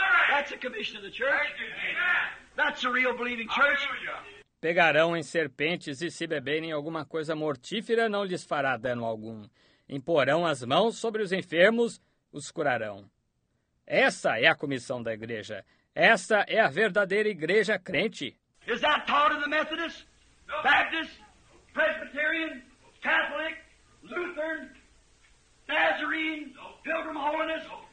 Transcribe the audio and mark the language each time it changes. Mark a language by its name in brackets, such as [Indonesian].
[English] That's the commission of the church. That's the real believing church. [Portuguese] Pegarão em serpentes e se beberem alguma coisa mortífera, não lhes fará dano algum. Imporão as mãos sobre os enfermos, os curarão. Essa é a comissão da igreja. Essa é a verdadeira igreja crente. [English] Is that taught in the Methodist, Baptist, Presbyterian, Catholic, Lutheran, Nazarene, Pilgrim Holiness?